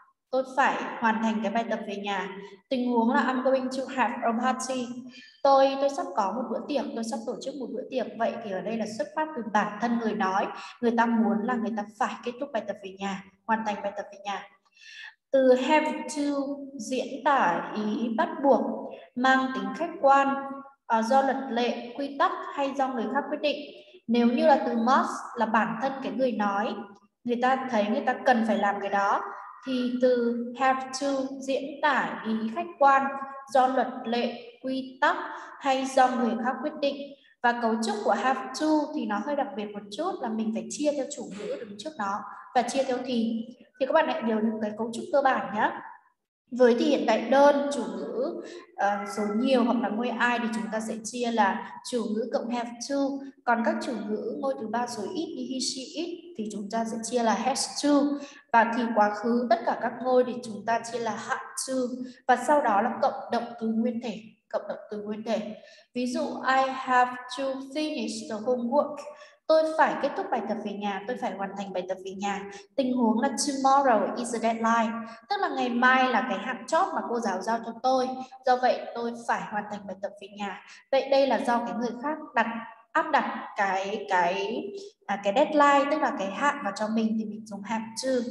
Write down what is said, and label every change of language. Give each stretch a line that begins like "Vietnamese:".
Vietnamese: Tôi phải hoàn thành cái bài tập về nhà. Tình huống là
English: I'm going to have a party.
Vietnamese: Tôi sắp có một bữa tiệc, tôi sắp tổ chức một bữa tiệc. Vậy thì ở đây là xuất phát từ bản thân người nói. Người ta muốn là người ta phải kết thúc bài tập về nhà, hoàn thành bài tập về nhà. Từ have to diễn tả ý bắt buộc, mang tính khách quan, do luật lệ, quy tắc hay do người khác quyết định. Nếu như là từ must là bản thân cái người nói, người ta thấy người ta cần phải làm cái đó, thì từ have to diễn tả ý khách quan do luật lệ, quy tắc hay do người khác quyết định. Và cấu trúc của have to thì nó hơi đặc biệt một chút là mình phải chia theo chủ ngữ đứng trước nó và chia theo thì. Thì các bạn hãy nhớ được cái cấu trúc cơ bản nhé. Với thì hiện tại đơn, chủ ngữ số nhiều hoặc là ngôi ai thì chúng ta sẽ chia là chủ ngữ cộng have to. Còn các chủ ngữ ngôi thứ ba số ít như he, she, it thì chúng ta sẽ chia là has to. Và thì quá khứ tất cả các ngôi thì chúng ta chia là had to. Và sau đó là cộng động từ nguyên thể. Cộng động từ nguyên thể. Ví dụ
English: I have to finish the homework.
Vietnamese: Tôi phải kết thúc bài tập về nhà, tôi phải hoàn thành bài tập về nhà. Tình huống là
English: tomorrow is the deadline,
Vietnamese: tức là ngày mai là cái hạn chót mà cô giáo giao cho tôi. Do vậy tôi phải hoàn thành bài tập về nhà. Vậy đây là do cái người khác áp đặt cái deadline, tức là cái hạn vào cho mình, thì mình dùng have to.